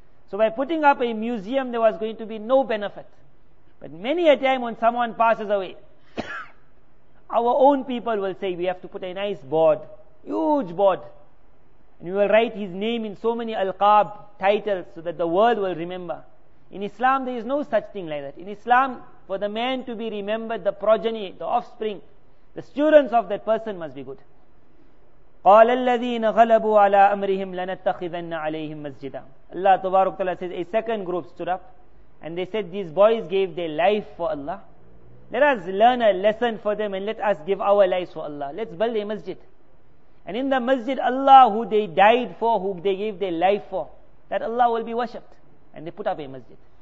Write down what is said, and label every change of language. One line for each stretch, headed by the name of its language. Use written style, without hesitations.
English: So by putting up a museum, there was going to be no benefit. But many a time when someone passes away, our own people will say, we have to put a nice board, huge board. And we will write his name in so many alqab titles so that the world will remember. In Islam, there is no such thing like that. In Islam, for the man to be remembered, the progeny, the offspring, the students of that person must be good.
Arabic: قال الذين غلبوا على أمرهم لنتخذن عليهم مسجدا.
English: Allah تبارك وتعالى says a second group stood up and they said these boys gave their life for Allah. Let us learn a lesson for them and let us give our lives for Allah. Let's build a masjid. And in the masjid, Allah who they died for, who they gave their life for, that Allah will be worshipped. And they put up a masjid.